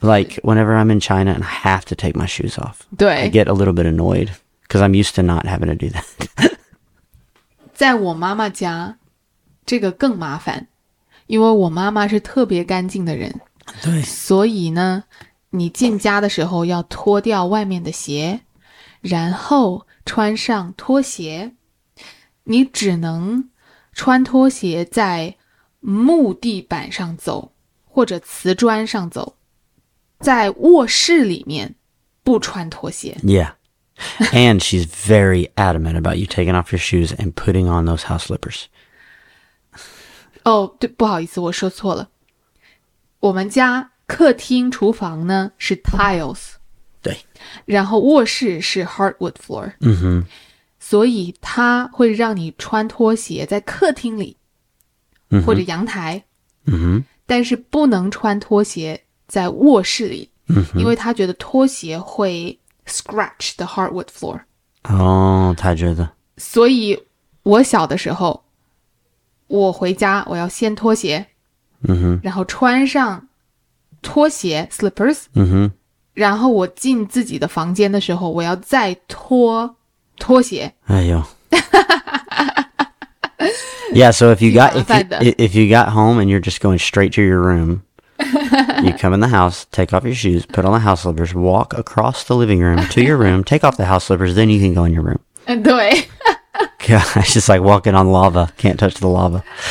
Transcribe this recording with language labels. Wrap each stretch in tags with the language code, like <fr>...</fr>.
<en>Like whenever I'm in China and I have to take my shoes off.</en> <zh>对。</zh> <en>I get a little bit annoyed because I'm used to not having to do that.</en> <zh>在我妈妈家这个更麻烦，因为我妈妈是特别干净的人。对。所以呢你进家的时候要脱掉外面的鞋，然后穿上拖鞋。你只能穿拖鞋在木地板上走或者瓷砖上走，在卧室里面不穿拖鞋。 Yeah.</zh> <en>And she's very adamant about you taking off your shoes and putting on those house slippers.</en> <zh>哦、oh, 对，不好意思，我说错了。我们家客厅厨房呢是 tiles。对。然后卧室是 hardwood floor。嗯哼。所以它会让你穿拖鞋在客厅里或者阳台。嗯哼。但是不能穿拖鞋在卧室里。嗯哼。因为他觉得拖鞋会</zh> <en>scratch the hardwood floor。</en> <zh>哦，他觉得。所以我小的时候我回家我要先脱鞋。嗯哼。然后穿上拖鞋 slippers。嗯哼。然后我进自己的房间的时候我要再脱拖鞋。哎呦。</zh> <en>Yeah, so if you got home and you're just going straight to your room, you come in the house, take off your shoes, put on the house slippers, walk across the living room to your room, take off the house slippers, then you can go in your room.</en> <zh>对。</zh> <en>Gosh, it's like walking on lava, can't touch the lava.</en>